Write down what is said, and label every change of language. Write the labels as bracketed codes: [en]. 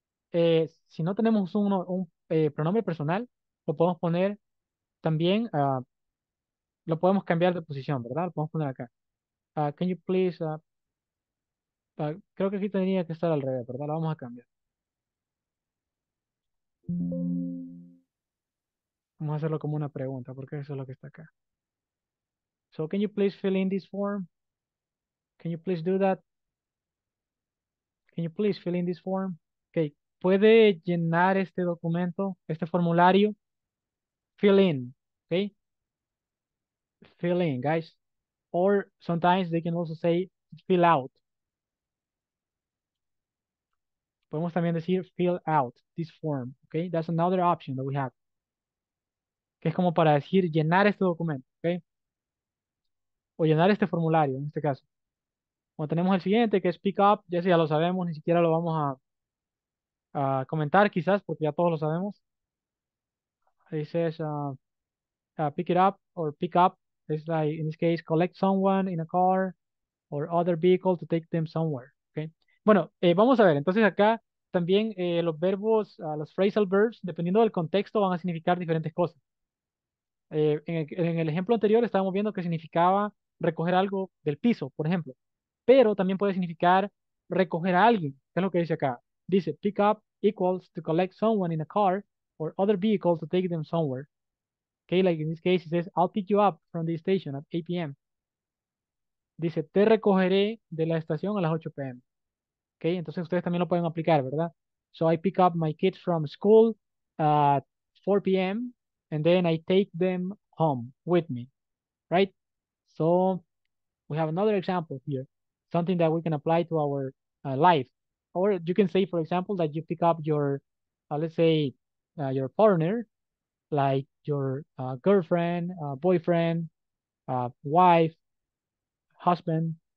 [es] Si no tenemos un pronombre personal, lo podemos poner también, lo podemos cambiar de posición, ¿verdad? Lo podemos poner acá. [en] Can you please, [es] creo que aquí tenía que estar al revés, ¿verdad? Lo vamos a cambiar. Vamos a hacerlo como una pregunta, porque eso es lo que está acá. [en] So, can you please fill in this form? Can you please do that? Can you please fill in this form? Okay. [es] Puede llenar este documento, este formulario. [en] Fill in, okay? Fill in, guys. Or sometimes they can also say fill out. [es] Podemos también decir [en] fill out this form, okay? That's another option that we have. [es] Que es como para decir llenar este documento, okay? O llenar este formulario en este caso. O tenemos el siguiente que es pick up, ya si ya lo sabemos, ni siquiera lo vamos a comentar quizás porque ya todos lo sabemos. Dices [en] pick it up or pick up. It's like in this case collect someone in a car or other vehicle to take them somewhere. [es] Okay. Bueno, vamos a ver. Entonces acá también los verbos, los phrasal verbs, dependiendo del contexto, van a significar diferentes cosas. En el ejemplo anterior estábamos viendo que significaba recoger algo del piso, por ejemplo. Pero también puede significar recoger a alguien, que es lo que dice acá. Dice, [en] pick up equals to collect someone in a car or other vehicle to take them somewhere. Okay, like in this case, it says, I'll pick you up from the station at 8 p.m. [es] Dice, te recogeré de la estación a las 8 p.m. Okay, entonces ustedes también lo pueden aplicar, ¿verdad? [en] So I pick up my kids from school at 4 p.m. and then I take them home with me. Right? So we have another example here, something that we can apply to our life. Or you can say, for example, that you pick up your, let's say, your partner, like your girlfriend, boyfriend, wife, husband.